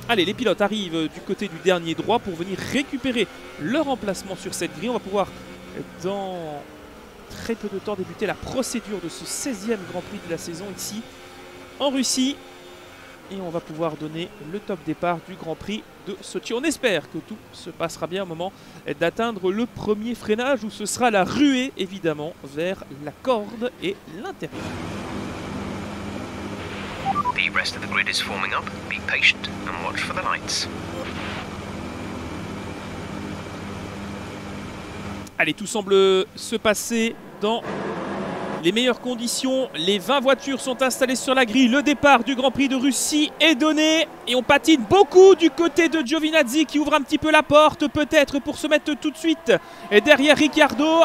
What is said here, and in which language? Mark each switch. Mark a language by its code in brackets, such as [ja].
[fr] Allez, les pilotes arrivent du côté du dernier droit pour venir récupérer leur emplacement sur cette grille. On va pouvoir, dans très peu de temps, débuter la procédure de ce 16e Grand Prix de la saison ici en Russie. Et on va pouvoir donner le top départ du Grand Prix de Sochi. On espère que tout se passera bien au moment d'atteindre le premier freinage où ce sera la ruée, évidemment, vers la corde et l'intérieur. [en] The rest of the grid is forming up. Be patient and watch for the lights. [fr] Allez, tout semble se passer dans les meilleures conditions. Les 20 voitures sont installées sur la grille. Le départ du Grand Prix de Russie est donné. Et on patine beaucoup du côté de Giovinazzi qui ouvre un petit peu la porte peut-être pour se mettre tout de suite et derrière Ricciardo.